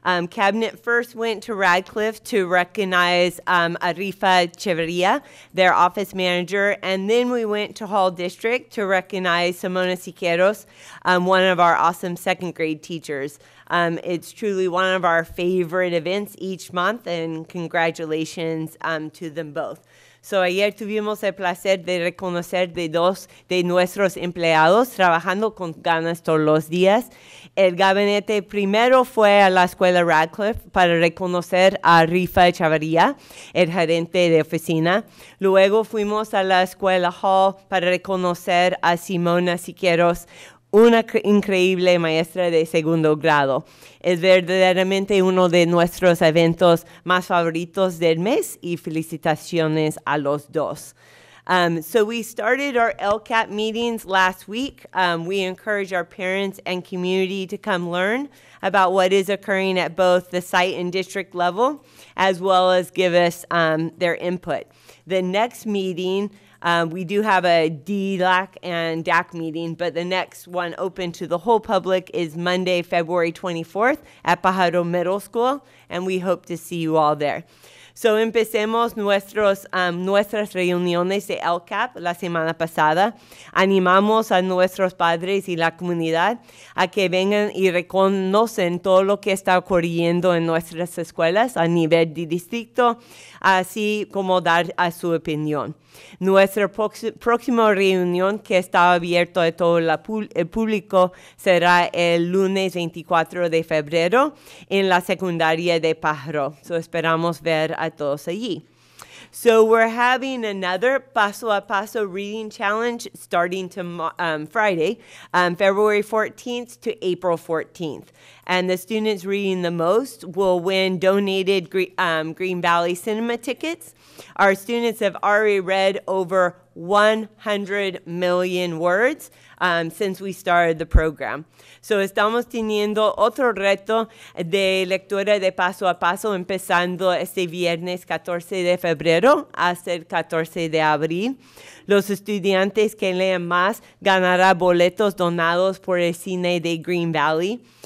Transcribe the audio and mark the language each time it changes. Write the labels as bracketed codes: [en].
[en] Cabinet first went to Radcliffe to recognize Arifa Cheveria, their office manager. And then we went to Hall District to recognize Simona Siqueiros, one of our awesome second grade teachers. It's truly one of our favorite events each month, and congratulations to them both. [es] So ayer tuvimos el placer de reconocer de dos de nuestros empleados trabajando con ganas todos los días. El gabinete primero fue a la escuela Radcliffe para reconocer a Rifa Chavarría, el gerente de oficina. Luego fuimos a la escuela Hall para reconocer a Simona Siqueiros, una increíble maestra de segundo grado. Es verdaderamente uno de nuestros eventos más favoritos del mes y felicitaciones a los dos. [en] So we started our LCAP meetings last week. We encourage our parents and community to come learn about what is occurring at both the site and district level, as well as give us their input. The next meeting, we do have a DLAC and DAC meeting, but the next one open to the whole public is Monday, February 24th at Pajaro Middle School, and we hope to see you all there. [es] So empecemos nuestras reuniones de LCAP la semana pasada. Animamos a nuestros padres y la comunidad a que vengan y reconocen todo lo que está ocurriendo en nuestras escuelas a nivel de distrito, así como dar a su opinión. Nuestra próxima reunión, que está abierta a todo el público, será el lunes 24 de febrero en la secundaria de Pajaro. [en] So [es] esperamos ver a todos allí. [en] So we're having another paso a paso reading challenge starting Friday, February 14th to April 14th. And the students reading the most will win donated Green Valley Cinema tickets. Our students have already read over 100 million words since we started the program. [es] So estamos teniendo otro reto de lectura de paso a paso empezando este viernes 14 de febrero hasta el 14 de abril. Los estudiantes que lean más ganarán boletos donados por el cine de Green Valley.